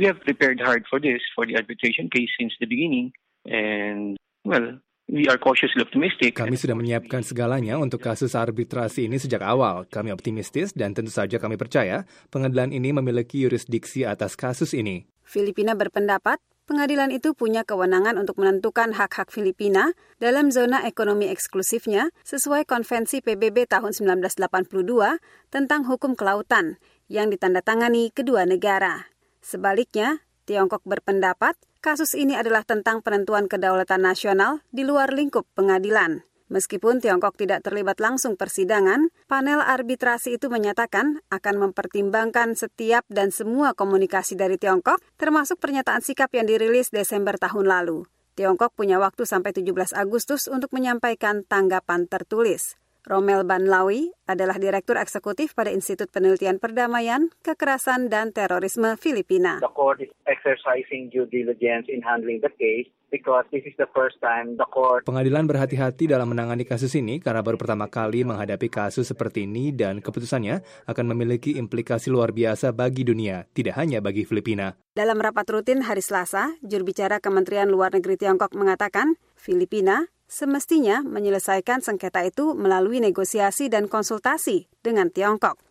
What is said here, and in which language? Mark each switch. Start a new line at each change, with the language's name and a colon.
English: We have prepared hard for this, for the arbitration case since the beginning, and well, we are cautiously optimistic.
Indonesian: Kami sudah menyiapkan segalanya untuk kasus arbitrasi ini sejak awal. Kami optimistis dan tentu saja kami percaya pengadilan ini memiliki yurisdiksi atas kasus ini. Filipina berpendapat pengadilan itu punya kewenangan untuk menentukan hak-hak Filipina dalam zona ekonomi eksklusifnya sesuai Konvensi PBB tahun 1982 tentang hukum kelautan yang ditandatangani kedua negara. Sebaliknya, Tiongkok berpendapat kasus ini adalah tentang penentuan kedaulatan nasional di luar lingkup pengadilan. Meskipun Tiongkok tidak terlibat langsung persidangan, panel arbitrasi itu menyatakan akan mempertimbangkan setiap dan semua komunikasi dari Tiongkok, termasuk pernyataan sikap yang dirilis Desember tahun lalu. Tiongkok punya waktu sampai 17 Agustus untuk menyampaikan tanggapan tertulis. Romel Banlawi adalah direktur eksekutif pada Institut Penelitian Perdamaian, Kekerasan dan Terorisme Filipina.
English: The court is exercising due diligence in handling the case because this is the first time the court.
Indonesian: Pengadilan berhati-hati dalam menangani kasus ini karena baru pertama kali menghadapi kasus seperti ini dan keputusannya akan memiliki implikasi luar biasa bagi dunia, tidak hanya bagi Filipina. Dalam rapat rutin hari Selasa, jurubicara Kementerian Luar Negeri Tiongkok mengatakan, Filipina semestinya menyelesaikan sengketa itu melalui negosiasi dan konsultasi dengan Tiongkok.